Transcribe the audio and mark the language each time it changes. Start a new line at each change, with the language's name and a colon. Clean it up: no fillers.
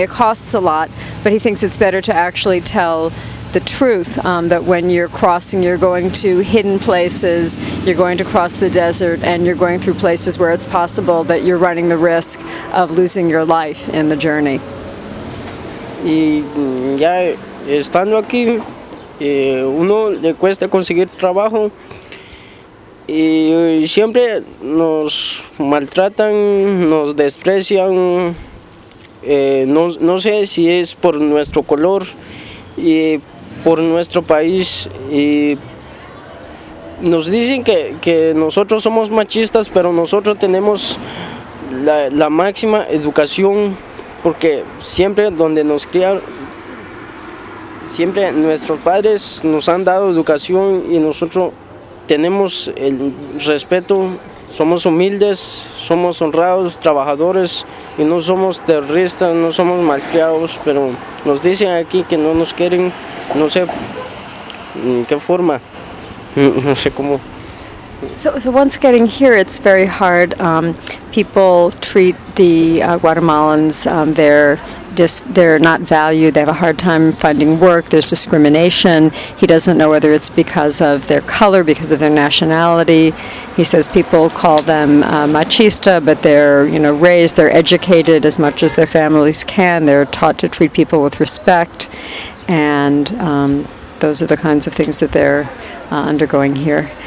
English: It costs a lot, but he thinks it's better to actually tell the truth, that when you're crossing, you're going to hidden places, you're going to cross the desert, and you're going through places where it's possible that you're running the risk of losing your life in the journey.
Spanish: Y ya estando aquí, uno le cuesta conseguir trabajo, y siempre nos maltratan, nos desprecian, no sé si es por nuestro color y por nuestro país, y nos dicen que nosotros somos machistas, pero nosotros tenemos la máxima educación. Porque siempre donde nos criaron, siempre nuestros padres nos han dado educación, y nosotros tenemos el respeto, somos humildes, somos honrados, trabajadores, y no somos terroristas, no somos malcriados, pero nos dicen aquí que no nos quieren, no sé en qué forma, no sé cómo.
English: So once getting here, it's very hard. People treat the Guatemalans, they're not valued, they have a hard time finding work, there's discrimination. He doesn't know whether it's because of their color, because of their nationality. He says people call them machista, but they're, you know, raised, they're educated as much as their families can, they're taught to treat people with respect, and those are the kinds of things that they're undergoing here.